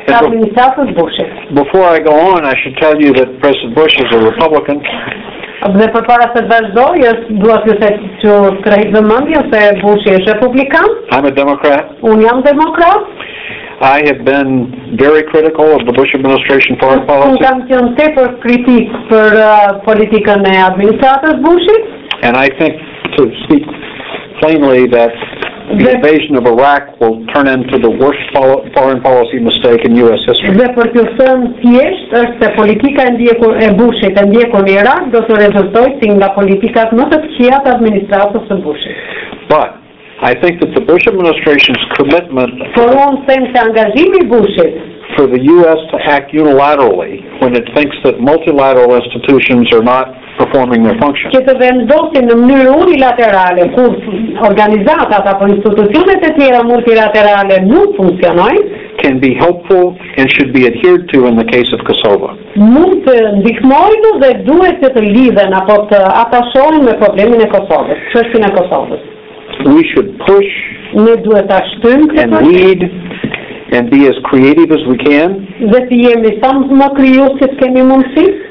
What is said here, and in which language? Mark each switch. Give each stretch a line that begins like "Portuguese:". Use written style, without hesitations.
English: Before I go on, I should tell you that President Bush is a Republican.
Albanian: Dhe për para se të vazhdoj, dua të thotë që krahit vëmendjen se Bush është republikan.
English: I'm a Democrat.
Albanian: Unë jam demokrat.
English: I have been very critical of the Bush administration foreign policy.
Albanian: Unë kam qenë tepër kritik për politikën e administratës Bushit.
English: And I think to speak plainly that the invasion of Iraq will turn into the worst foreign policy mistake in U.S. history.
Albanian: Dhe për të thënë thjesht, është se politika e Bushit e ndjekur në Irak do të rezultojë si nga politikat më të këqija të administratës së Bushit.
English: But I think that the Bush administration's commitment
Albanian: for unë them se angazhimi I Bushit
English: for the U.S. to act unilaterally when it thinks that multilateral institutions are not performing their function.
Albanian: Që të vendosin në mënyrë unilaterale kur organizatat apo institucionet e tjera multilaterale nuk funksionojnë,
English: can be helpful and should be adhered to in the case of Kosovo.
Albanian: Mund të ndihmojnë dhe duhet që të lidhen apo të atashohen me problemin e Kosovës, çështjen e Kosovës.
English: We should push and lead and be as creative as we can.
Albanian: Dhe të jemi sa më krijuar si kemi mundësi.